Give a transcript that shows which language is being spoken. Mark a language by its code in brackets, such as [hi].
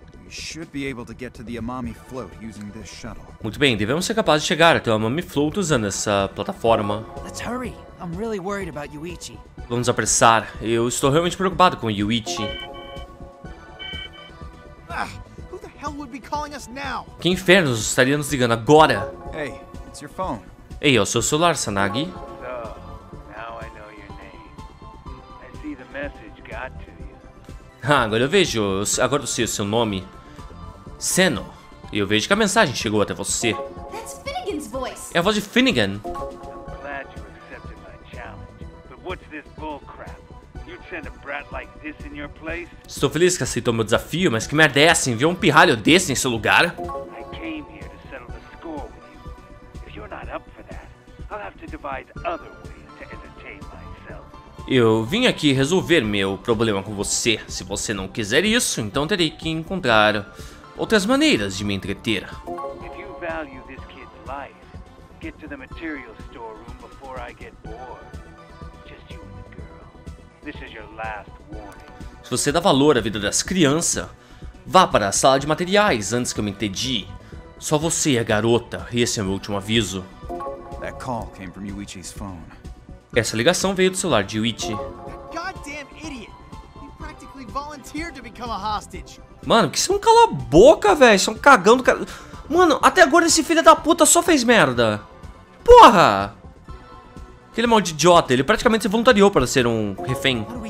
[en] Should be able to get to the Amami float using this shuttle. [pt] Muito bem, devemos ser capazes de chegar até o Amami float usando essa plataforma. [en] Let's hurry. I'm really worried about Yuichi. [pt] Vamos apressar. Eu estou realmente preocupado com Yuichi. [en] Who the hell would be calling us now? [pt] Que inferno estaria nos ligando agora? [en] Hey, it's your phone. [pt] Ei, é o seu celular, Sanagi. [en] So, now I know your name. I see the message got to you. [pt] Ah, agora eu vejo. Agora eu sei o seu nome. Seno, eu vejo que a mensagem chegou até você. [en] That's Finnegan's voice. [pt] É a voz de Finnegan. [en] I'm glad you accepted my challenge. But what's this bullcrap? You'd send a brat like this in your place? [pt] Estou feliz que aceitou meu desafio, mas que merda é essa? Enviou um pirralho desse em seu lugar? [en] I came here to settle the score with you. If you're not up for that, I'll have to devise other ways to entertain myself. [pt] Eu vim aqui resolver meu problema com você. Se você não quiser isso, então terei que encontrar outras maneiras de me entreter. [en] If you value this kid's life, get to the material storeroom before I get bored. Just you and the girl. This is your last warning. [pt] Se você dá valor à vida das crianças, vá para a sala de materiais antes que eu me entedi. Só você e a garota, esse é meu último aviso. [en] That call came from Yuichi's phone. [pt] Essa ligação veio do celular de Yuichi. [en] Goddamn idiot! He practically volunteered to become a hostage. [pt] Mano, por que você não cala a boca, velho? Você é um cagão do cara. Mano, até agora esse filho da puta só fez merda. Porra! Aquele maldito idiota, ele praticamente se voluntariou para ser um refém.